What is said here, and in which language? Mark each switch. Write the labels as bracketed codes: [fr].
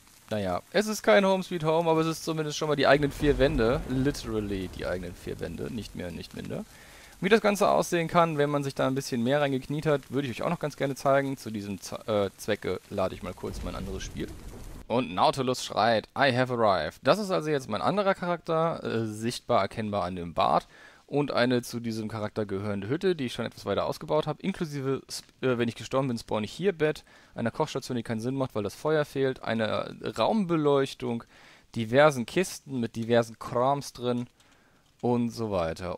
[de] Naja, es ist kein Home Sweet Home, aber es ist zumindest schon mal die eigenen 4 Wände. Literally die eigenen 4 Wände, nicht mehr und nicht minder. Wie das Ganze aussehen kann, wenn man sich da ein bisschen mehr reingekniet hat, würde ich euch auch noch ganz gerne zeigen. Zu diesem Zwecke lade ich mal kurz mein anderes Spiel. Und Nautilus schreit, [en] I have arrived. [de] Das ist also jetzt mein anderer Charakter, sichtbar erkennbar an dem Bart. Und eine zu diesem Charakter gehörende Hütte, die ich schon etwas weiter ausgebaut habe. Inklusive, wenn ich gestorben bin, spawne ich hier Bett. Eine Kochstation, die keinen Sinn macht, weil das Feuer fehlt. Eine Raumbeleuchtung, diversen Kisten mit diversen Krams drin. Und so weiter.